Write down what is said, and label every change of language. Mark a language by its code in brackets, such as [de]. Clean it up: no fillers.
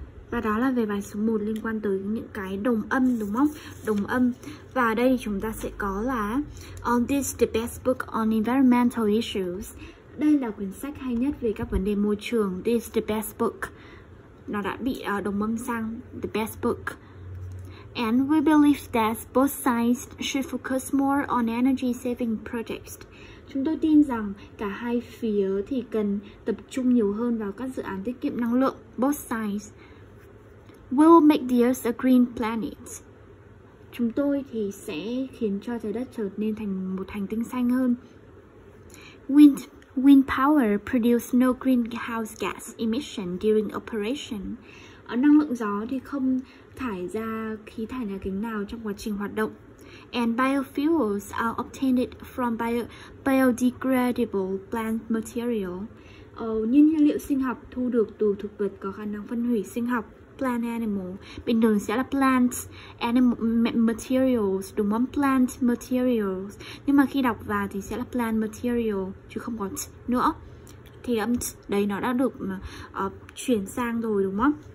[vi] Và đó là về bài số 1 liên quan tới những cái đồng âm, đúng không? Đồng âm. Và ở đây chúng ta sẽ có là [en] On this the best book on environmental issues. [vi] Đây là quyển sách hay nhất về các vấn đề môi trường. [en] This the best book. [vi] Nó đã bị đồng âm sang [en] the best book. And we believe that both sides should focus more on energy saving projects. [vi] Chúng tôi tin rằng cả hai phía thì cần tập trung nhiều hơn vào các dự án tiết kiệm năng lượng. [en] Both sides. We'll make the Earth a green planet. [vi] Chúng tôi thì sẽ khiến cho trái đất trở nên thành một hành tinh xanh hơn. [en] Wind power produces no greenhouse gas emission during operation. [vi] Năng lượng gió thì không thải ra khí thải nhà kính nào trong quá trình hoạt động. [en] And biofuels are obtained from biodegradable plant material. [vi] Nhiên liệu sinh học thu được từ thực vật có khả năng phân hủy sinh học. [en] Plant animal. [vi] Bình thường sẽ là [en] plant animal materials, [vi] đúng không? [en] Plant materials. [vi] Nhưng mà khi đọc vào thì sẽ là [en] plant material [vi] chứ không có t nữa. Thì âm t đấy nó đã được chuyển sang rồi, đúng không?